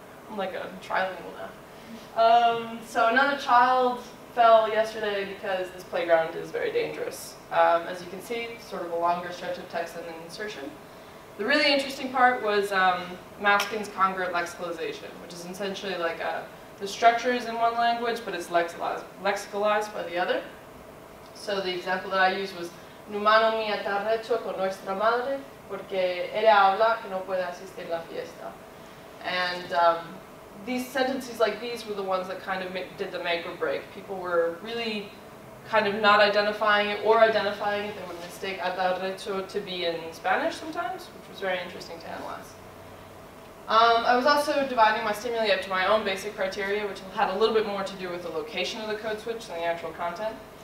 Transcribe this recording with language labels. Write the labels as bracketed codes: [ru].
[en] I'm like a trilingual now. So, another child fell yesterday because this playground is very dangerous. As you can see, sort of a longer stretch of text than an insertion. The really interesting part was Maskin's congruent lexicalization, which is essentially like the structure is in one language, but it's lexicalized by the other. So the example that I used was [es] Numano mi atarrecho con nuestra madre porque ella habla que no puede asistir la fiesta. [en] And these sentences like these were the ones that kind of did the make or break. People were really kind of not identifying it or identifying it. They would mistake atarrecho to be in Spanish sometimes, which was very interesting to analyze. I was also dividing my stimuli up to my own basic criteria, which had a little bit more to do with the location of the code switch than the actual content.